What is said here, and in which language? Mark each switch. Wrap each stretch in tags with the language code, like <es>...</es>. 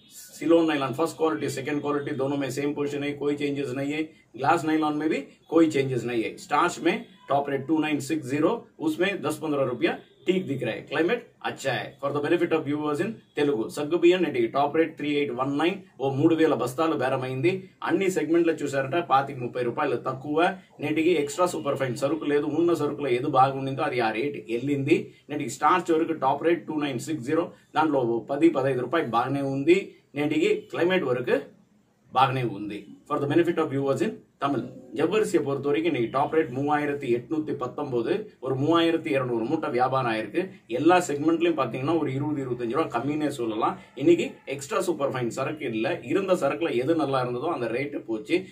<hi>Ceylon nylon first quality second quality दोनों में same position है, कोई चेंजेस नहीं है। ग्लास नाइलॉन में भी कोई चेंजेस नहीं है। स्टार्च में टॉप रेट 2960, उसमें 10-15 रुपया ठीक दिख रहा है। क्लाइमेट अच्छा है।</hi> <en>for the benefit of viewers in Telugu,</en> <te>सग्गु बियन eighty top rate 3819 ओ 3000 बस्ताल बेरमैंदी। అన్ని సెగ్మెంట్ల చూసారట 30-30 రూపాయలు తక్కువ। నేటికి ఎక్స్ట్రా సూపర్ ఫైన్ సరుకు లేదు, ఉన్న సరుకుల ఏది బాగుందో అది ఆ రేట్ ఎల్లింది। నేటికి స్టార్చ్ వరకు టాప్ రేట్ 2960, దానిలో 10-15 రూపాయలు బాగానే ఉంది। నేటికి క్లైమేట్ వరకు బాగానే ఉంది।</te> <en>for the benefit of viewers in Tamil,</en> <ta>ஜவ்வரிசியை பொறுத்த வரைக்கும் இன்னைக்கு டாப் ரேட் 3819, ஒரு 3200 மூட்டை வியாபாரம் ஆயிருக்கு। எல்லா செக்மெண்ட்லயும் பாத்தீங்கன்னா ஒரு 20-25 ரூபாய் கம்மினே சொல்லலாம். இன்னைக்கு எக்ஸ்ட்ரா சூப்பர் ஃபைன் சரக்கு இல்ல, இருந்த சரக்குல எது நல்லா இருந்ததோ அந்த ரேட் போச்சு।</ta>